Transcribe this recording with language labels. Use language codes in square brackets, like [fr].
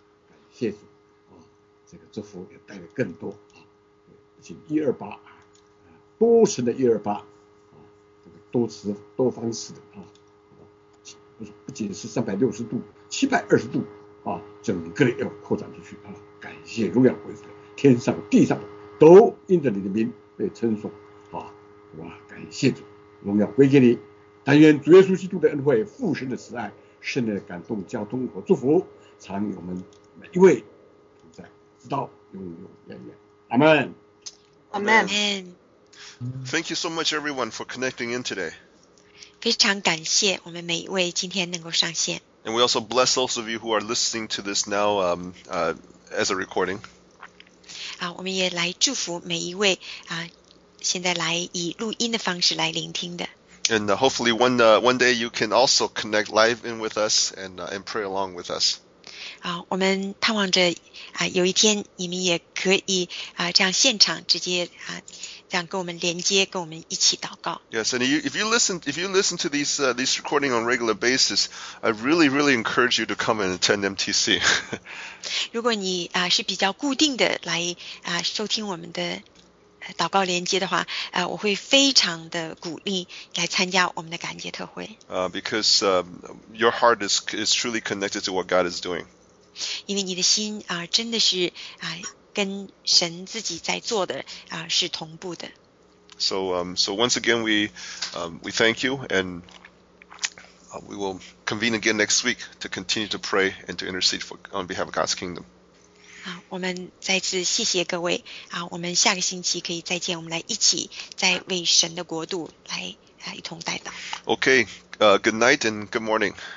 [zh] 感谢主这个祝福也带来更多请128多神的128这个多词多方式的不仅是360度720度整个的要扩展出去感谢荣耀归主，天上地上都因着你的名被称颂，感谢主，荣耀归给你，但愿主耶稣基督的恩惠、父神的慈爱、圣灵的感动、交通和祝福常与我们每一位同在，直到永永远远。阿门。阿门。 [en] Thank you so much, everyone, for connecting in today. [zh] 非常感谢我们每一位今天能够上线。 [en] And we also bless those of you who are listening to this now, as a recording. [zh] 啊，我们也来祝福每一位啊，现在来以录音的方式来聆听的。 [en] And hopefully one day you can also connect live in with us and pray along with us. [zh] 啊，我们盼望着啊，有一天你们也可以啊，这样现场直接啊。这样跟我们连接，跟我们一起祷告。 [en] Yes, and you, if you listen to these recording on a regular basis, I really, really encourage you to come and attend MTC. [zh] 如果你啊是比较固定的来啊收听我们的祷告连接的话，啊我会非常的鼓励来参加我们的感谢特会。 [en] Because your heart is truly connected to what God is doing. [zh] 因为你的心啊真的是啊。跟神自己在做的啊是同步的。 [en] So once again we thank you and we will convene again next week to continue to pray and to intercede for on behalf of God's kingdom. [zh] 好，我们再次谢谢各位啊，我们下个星期可以再见，我们来一起再为神的国度来啊一同代祷。 [en] Okay, good night and good morning.